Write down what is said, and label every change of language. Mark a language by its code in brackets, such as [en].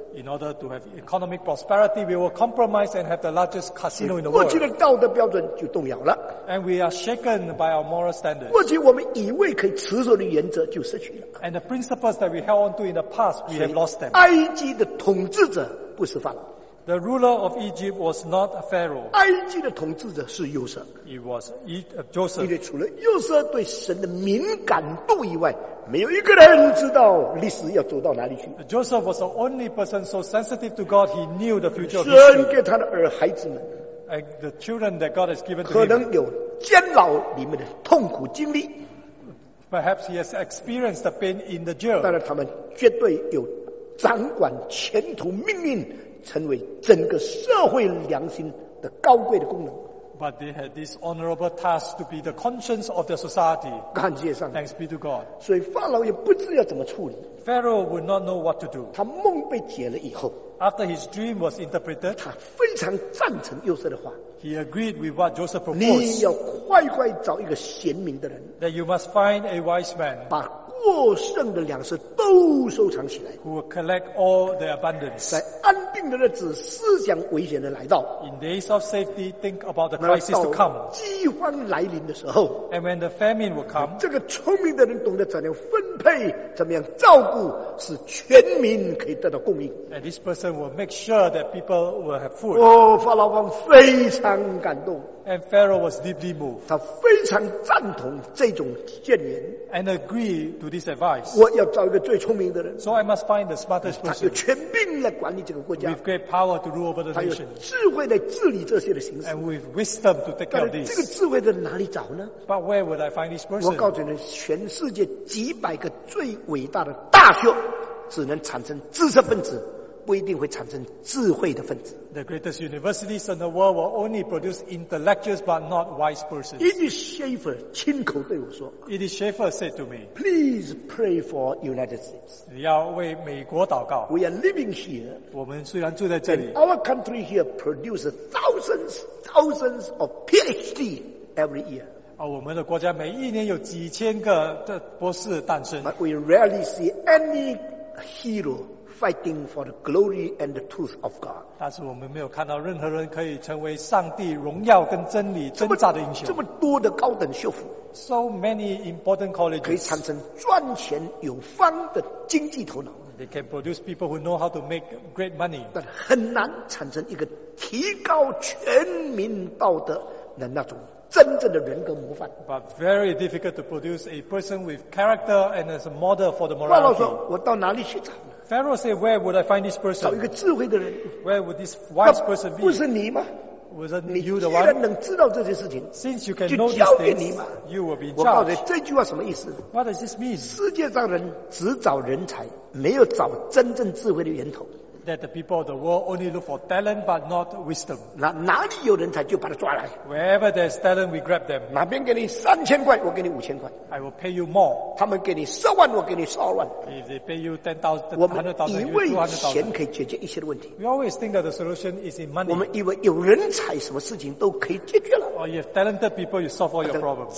[en] In order to have economic prosperity, we will compromise and have the largest casino in the world. [zh] 过去的道德标准就动摇了。 [en] And we are shaken by our moral standards. [zh] 过去我们以为可以持守的原则就失去了。 [en] And the principles that we held on to in the past, we have lost them. [zh] 埃及的统治者不是法老。 [en] The ruler of Egypt was not a pharaoh. [zh] 埃及的统治者是约瑟。 [en] He was Joseph. [zh] 因为除了约瑟对神的敏感度以外，没有一个人知道历史要走到哪里去。 [en] Joseph was the only person so sensitive to God, he knew the future of history. [zh] 神给他的儿孩子们。 [en] And the children that God has given to him. [zh] 可能有监牢里面的痛苦经历。 [en] Perhaps he has experienced the pain in the jail. [zh] 但是他们绝对有掌管前途命运，成为整个社会良心的高贵的功能。 [en] But they had this honorable task to be the conscience of the society. [zh] 感谢上帝。 [en] Thanks be to God. [zh] 所以法老也不知要怎么处理。 [en] Pharaoh would not know what to do. [zh] 他梦被解了以后， [en] after his dream was interpreted, [zh] 他非常赞成约瑟的话。 [en] He agreed with what Joseph proposed. [zh] 你要快快找一个贤明的人。 [en] That you must find a wise man. [zh] 把过剩的粮食都收藏起来。 [en] Who will collect all the abundance. [zh] 在安定的日子，思想危险的来到。 [en] In days of safety, think about the crisis to come. [zh] 饥荒来临的时候。 [en] And when the famine will come. [zh] 这个聪明的人懂得怎样分配，怎么样照顾，使全民可以得到供应。 [en] And this person will make sure that people will have food. [zh] 哦，法老王非常感动。 [en] And Pharaoh was deeply moved. [zh] 他非常赞同这种建言。 [en] And agree to this advice. [zh] 我要找一个最聪明的人。 [en] So I must find the smartest person. [zh] 他有权柄来管理这个国家。 [en] With great power to rule over the nation. [zh] 他有智慧来治理这些的形势。 [en] And with wisdom to take care of this. [zh] 这个智慧在哪里找呢？ [en] But where would I find this person? [zh] 我告诉你，全世界几百个最伟大的大学，只能产生知识分子。不一定会产生智慧的分子。 [en] The greatest universities in the world will only produce intellectuals but not wise persons. It is [zh] Schaeffer 亲口对我说。 [en] It is Schaeffer said to me. Please pray for United States. [zh] 你要为美国祷告。 [en] We are living here. [zh] 我们虽然住在这里。 [en] Our country here produces thousands, thousands of PhD every year. [zh] 我们的国家每一年有几千个的博士诞生。 [en] But we rarely see any hero fighting for the glory and the truth of God. [zh] 但是我们没有看到任何人可以成为上帝荣耀跟真理挣扎的英雄。这么多的高等学府， [en] so many important colleges, [zh] 可以产生赚钱有方的经济头脑。 [en] They can produce people who know how to make great money. [zh] 但很难产生一个提高全民道德的那种真正的人格模范。 [en] But very difficult to produce a person with character and as a model for the morality. [zh] 法老说：“我到哪里去找呢？” [en] Pharaoh said, "Where would I find this person?" [zh] 找一个智慧的人。 [en] Where would this wise person be? [zh] 不是你吗？ [en] Wasn't you the one? [zh] 既然能知道这些事情， [en] Since you can [zh] 就交给你嘛。 [en] You will be charged. [zh] 我告诉你这句话什么意思 [en] ？What does this mean? [zh] 世界上人只找人才，没有找真正智慧的源头。 [en] That the people of the world only look for talent but not wisdom. [zh] 哪里有人才就把他抓来。 [en] Wherever there's talent, we grab them. [zh] 哪边给你3000块，我给你5000块。 [en] I will pay you more. [zh] 他们给你10万，我给你12万。 [en] If they pay you 10,000, 100,000, 200,000. [zh] 钱可以解决一切的问题。 [en] We always think that the solution is in money. [zh] 我们以为有人才，什么事情都可以解决了。 [en] Or you have talented people, you solve all your problems.